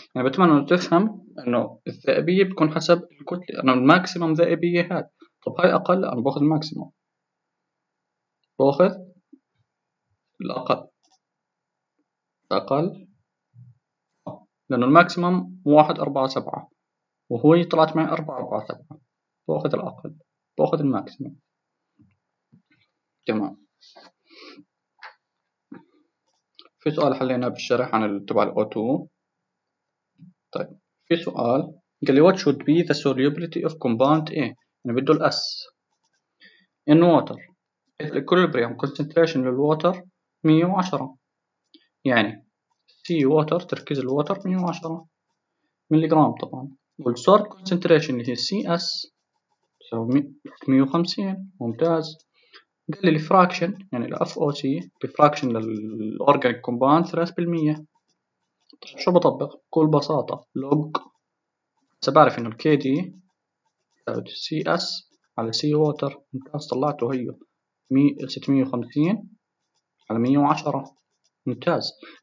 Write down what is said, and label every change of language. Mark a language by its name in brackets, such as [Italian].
[Arabic] يعني بتمنى انه تفهم انه الذائبيه بتكون حسب الكتله، انا الماكسيمم ذائبيه هاي، طب هاي اقل انا باخذ الماكسيمم، باخذ الاقل لانه الماكسيمم 1.47 وهو طلعت معي 4.47، باخذ الاقل باخذ الماكسيمم. تمام، في سؤال حلينا بالشرح عن تبع الـ O2. طيب في سؤال قال لي [English] what should be the solubility of compound A، [Arabic] يعني بده الـ S in water [English] if equilibrium concentration [Arabic] للwater 110، يعني C water تركيز الwater 110 مليغرام طبعا، والـ salt concentration اللي هي CS 150. ممتاز، قال لي الفراكشن يعني الـ FOC بفراكشن للأورجانيك كومباوند 3%. طيب شو بطبق؟ بكل بساطة لوج، بس بعرف إنه الـ KD زائد CS على C water، ممتاز طلعته هيو 650 على 110، ممتاز.